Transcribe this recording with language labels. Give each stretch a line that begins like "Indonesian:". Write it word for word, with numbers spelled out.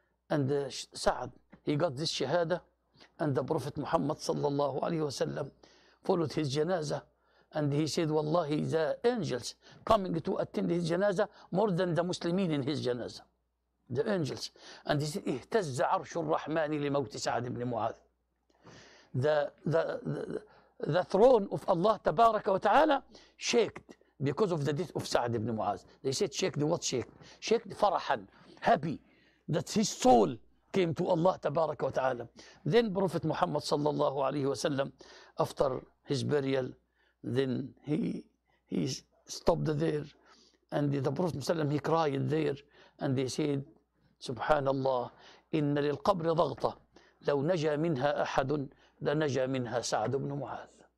English: And uh, Sa'd, he got this shahada, and the Prophet Muhammad sallallahu alaihi wasallam followed his janazah, and he said, Wallahi, the angels coming to attend his janazah more than the Muslimin in his janazah, the angels. And he said,
Arabic: اهتز عرش الرحمن لموت سعد بن معاذ.
English: The the, the The throne of Allah Tabaraka wa Ta'ala shaked because of the death of Sa'd ibn Mu'az. They said shaked, what shaked? Shaked farahan, happy that his soul came to Allah Tabaraka wa Ta'ala. Then Prophet Muhammad sallallahu alayhi wa sallam, after his burial, then he he stopped there, and the Prophet sallallahu alayhi wa sallam, he cried there, and they said, Subhanallah,
Arabic: inna lil qabri daghta, law naja minha ahadun, لنجا منها سعد بن معاذ.